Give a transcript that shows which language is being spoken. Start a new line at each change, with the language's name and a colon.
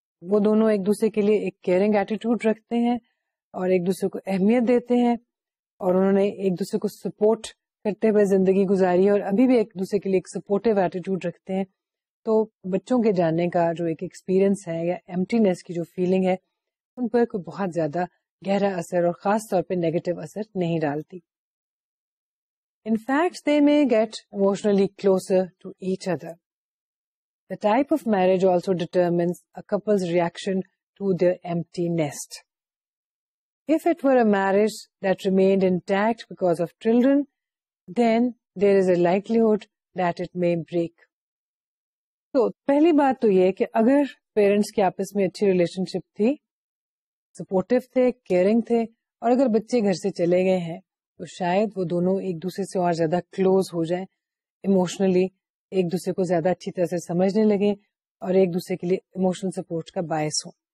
Urdu: وہ دونوں ایک دوسرے کے لیے ایک کیئرنگ ایٹیٹیوڈ رکھتے ہیں اور ایک دوسرے کو اہمیت دیتے ہیں اور انہوں نے ایک دوسرے کو سپورٹ کرتے ہوئے زندگی گزاری اور ابھی بھی ایک دوسرے کے لیے ایک سپورٹیو ایٹیٹیوڈ رکھتے ہیں, تو بچوں کے جاننے کا جو ایک ایکسپیرئنس ہے یا ایمٹینیس کی جو فیلنگ ہے, ان پر کوئی بہت زیادہ گہرا اثر اور خاص طور پہ نیگیٹو اثر نہیں ڈالتی.
English: In fact, they may get emotionally closer to each other. The type of marriage also determines a couple's reaction to their empty nest. If it were a marriage that remained intact because of children, then there is a likelihood that it may break.
Urdu: So, pehli baat to ye ki agar parents ki aapas mein achhi relationship thi, supportive the, caring the, aur agar bacche ghar se chale gaye hain, تو شاید وہ دونوں ایک دوسرے سے اور زیادہ close ہو جائیں, ایموشنلی ایک دوسرے کو زیادہ اچھی طرح سے سمجھنے لگیں اور ایک دوسرے کے لیے ایموشنل سپورٹ کا باعث ہوں.